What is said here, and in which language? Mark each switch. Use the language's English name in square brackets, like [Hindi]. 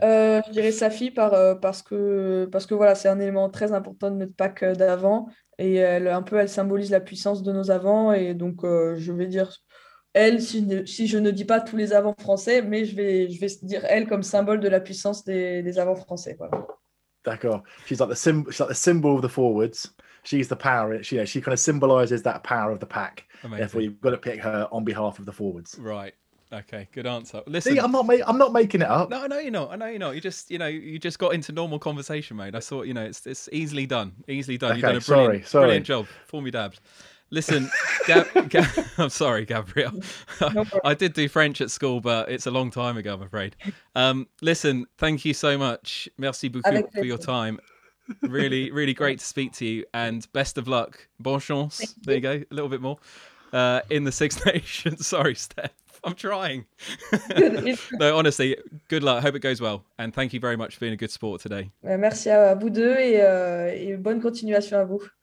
[French] Je dirais Safi parce que voilà, c'est un élément très important de notre pack d'avant et elle symbolise la puissance de nos avants et donc je vais dire elle, si je ne dis pas tous les avants français, mais je vais dire elle comme symbole de la puissance des avants français. Voilà. D'accord. [English] She's like the symbol of the forwards. She's the power. She kind of symbolizes that power of the pack. Amazing. Therefore, you've got to pick her on behalf of the forwards. Right. Okay. Good answer. Listen, see, I'm not making it up. No, I know you're not. You just, you just got into normal conversation mode. I thought, it's easily done. Easily done. Okay, you've done a brilliant, sorry. Brilliant job. Formidable. Listen, I'm sorry, Gabriel. I did do French at school, but it's a long time ago, I'm afraid. Listen, thank you so much. [French] Merci beaucoup [English] for your time. Really, really great to speak to you. And best of luck. [French] Bonne chance. [English] There you go. A little bit more. In the Six Nations. Sorry, Steph. I'm trying. No, honestly, good luck. Hope it goes well. And thank you very much for being a good sport today. [French] Merci à vous deux et bonne continuation à vous.